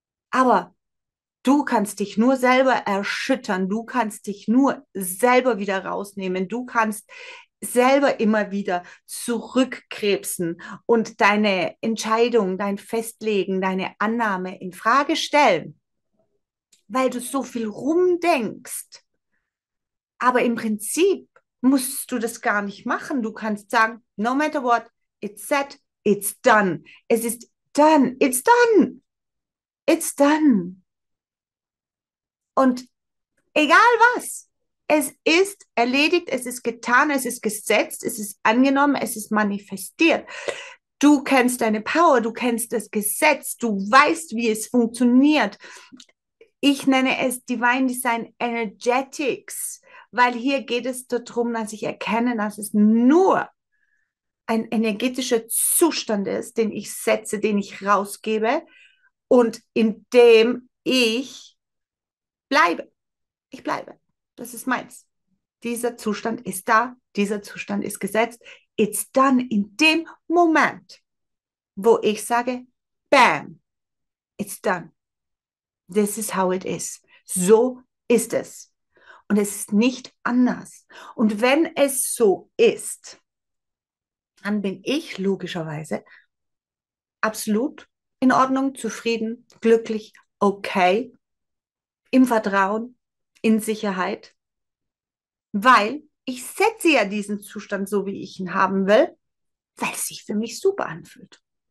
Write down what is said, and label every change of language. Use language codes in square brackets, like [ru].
[de] Aber du kannst dich nur selber erschüttern, du kannst dich nur selber wieder rausnehmen, du kannst selber immer wieder zurückkrebsen und deine Entscheidung, dein Festlegen, deine Annahme in Frage stellen, weil du so viel rumdenkst. Aber im Prinzip musst du das gar nicht machen. Du kannst sagen, [en] no matter what, it's set, it's done. [de] Es ist [en] done, it's done. It's done. [de] Und egal was, es ist erledigt, es ist getan, es ist gesetzt, es ist angenommen, es ist manifestiert. Du kennst deine Power, du kennst das Gesetz, du weißt, wie es funktioniert. Ich nenne es Divine Design Energetics, weil hier geht es darum, dass ich erkenne, dass es nur ein energetischer Zustand ist, den ich setze, den ich rausgebe. Und indem ich bleibe, ich bleibe. Das ist meins. Dieser Zustand ist da, dieser Zustand ist gesetzt. [en] It's done [de] in dem Moment, wo ich sage, [en] bam, it's done. This is how it is. So [de] ist es. Und es ist nicht anders. Und wenn es so ist, dann bin ich logischerweise absolut in Ordnung, zufrieden, glücklich, okay, im Vertrauen, in Sicherheit, weil ich setze ja diesen Zustand so, wie ich ihn haben will, weil es sich für mich super anfühlt.